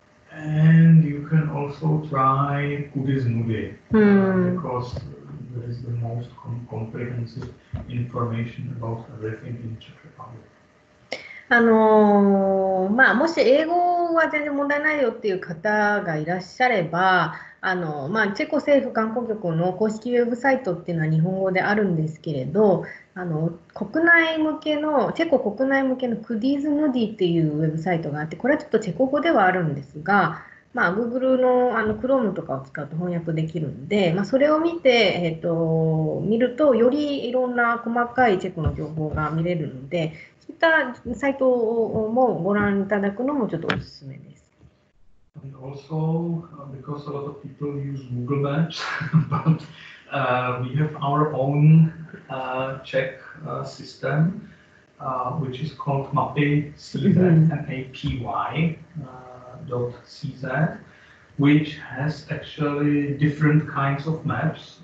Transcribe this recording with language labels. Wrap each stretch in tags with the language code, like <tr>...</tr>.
<en>And you can also try Kudy z Nudy, because that is the most comprehensive information about everything in Czech Republic.</en> <ja>まあ、もし英語は全然問題ないよっていう方がいらっしゃれば、まあ、チェコ政府観光局の公式ウェブサイトっていうのは日本語であるんですけれど、国内向けのチェコ国内向けのクディーズヌディっていうウェブサイトがあって、これはちょっとチェコ語ではあるんですが、まあ、Google の、Chrome とかを使うと翻訳できるんで、まあ、それを見て、見るとよりいろんな細かいチェコの情報が見れるので、そういったサイトもご覧いただくのもちょっとおすすめです。</ja> <en>And also, because a lot of people use Google Maps, but, we have our own, Czech, system, which is called mapy.cz .cz, which has actually different kinds of maps.</en>